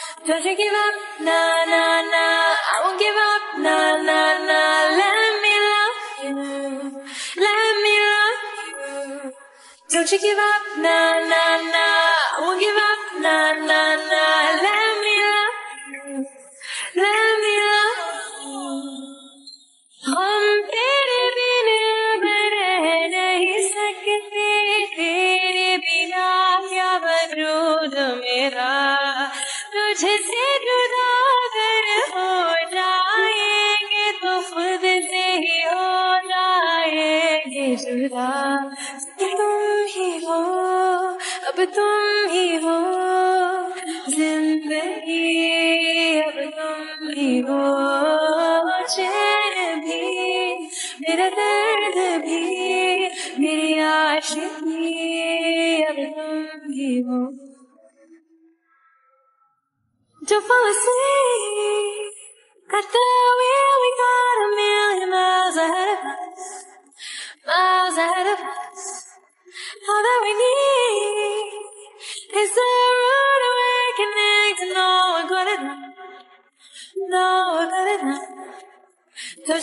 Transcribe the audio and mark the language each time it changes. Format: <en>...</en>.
<en>Don't you give up, nah, nah, nah. I won't give up, nah, nah, nah. Let me love you, let me love you. Don't you give up, nah, nah, nah. I won't give up, nah, nah, nah. Let me love you, let me love you.</en> <hi>हम तेरे बिना बने नहीं सकते, तेरे बिना क्या वजूद मेरा, तुझसे जुदा अगर हो जाएंगे तो खुद से ही हो जाएंगे जुदा. तुम ही हो, अब तुम ही हो जिंदगी, अब तुम ही हो चैन भी, मेरा दर्द भी, मेरी आशिकी, अब तुम ही हो.</hi> <en>Don't fall asleep at the wheel, we got a million miles ahead of us, miles ahead of us. All that we need is a rude awakening to know we're good enough, know we're good enough.</en>